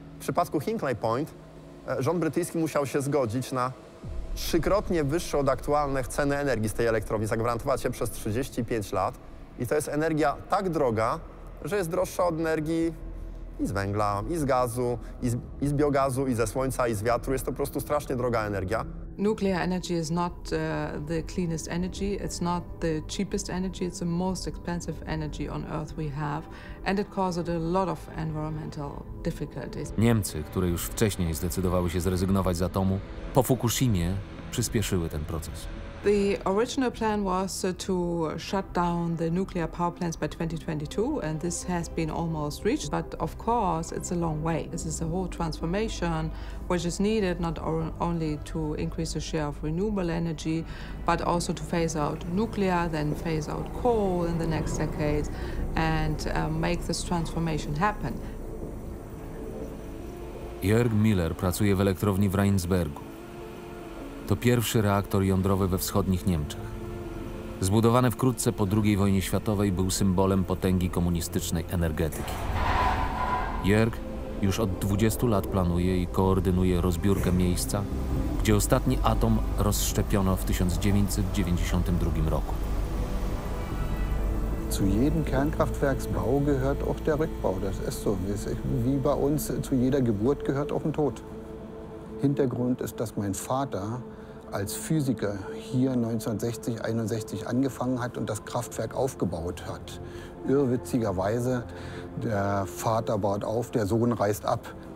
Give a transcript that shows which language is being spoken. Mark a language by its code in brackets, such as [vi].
[pl] W przypadku Hinkley Point rząd brytyjski musiał się zgodzić na 3-krotnie wyższe od aktualnych ceny energii z tej elektrowni, zagwarantować je przez 35 lat. I to jest energia tak droga, że jest droższa od energii i z węgla, i z gazu, i z biogazu, i ze słońca, i z wiatru. Jest to po prostu strasznie droga energia. [en] Nuclear energy is not the cleanest energy, it's not the cheapest energy, it's the most expensive energy on earth we have, and it causes a lot of environmental difficulties. [pl] Niemcy, które już wcześniej zdecydowały się zrezygnować z atomu, po Fukushimie przyspieszyły ten proces. [en] The original plan was to shut down the nuclear power plants by 2022, and this has been almost reached, but of course it's a long way. This is a whole transformation which is needed not only to increase the share of renewable energy, but also to phase out nuclear, then phase out coal in the next decades, and make this transformation happen. [pl] Jörg Müller pracuje w elektrowni w Rheinsbergu. To pierwszy reaktor jądrowy we wschodnich Niemczech. Zbudowany wkrótce po II wojnie światowej, był symbolem potęgi komunistycznej energetyki. Jörg już od 20 lat planuje i koordynuje rozbiórkę miejsca, gdzie ostatni atom rozszczepiono w 1992 roku. [de] Zu jedem Kernkraftwerksbau gehört auch der Rückbau. Das ist so, wie bei uns zu jeder Geburt gehört auch ein Tod. Hintergrund ist, dass mein Vater als Physiker hier 1961 angefangen hat und das Kraftwerk aufgebaut hat. Irrwitzigerweise, der Vater baut auf, der Sohn reißt ab.